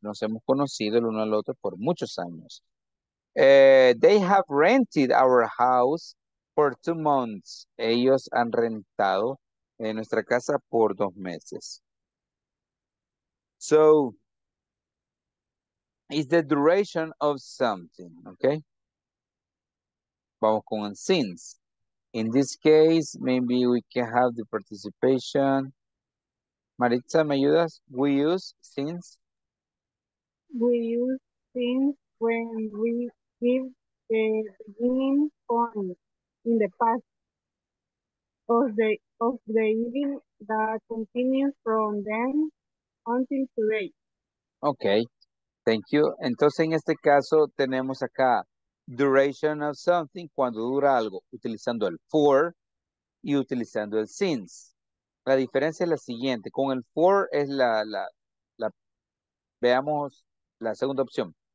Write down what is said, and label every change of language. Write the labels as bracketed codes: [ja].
[es] Nos hemos conocido el uno al otro por muchos años. [en] They have rented our house for 2 months. [es] Ellos han rentado en nuestra casa por 2 meses. [en] So, is the duration of something, okay? [es] Vamos con since. [en] In this case, maybe we can have the participation. Maritza, [es] ¿me ayudas? [en] We use since. We use since when we give the beginning point in the past of the evening that continues from then until today. Okay, thank you. [es] Entonces, en este caso, tenemos acá [en] duration of something, [es] cuando dura algo, utilizando el for y utilizando el since. La diferencia es la siguiente, con el for es la veamos la segunda opción.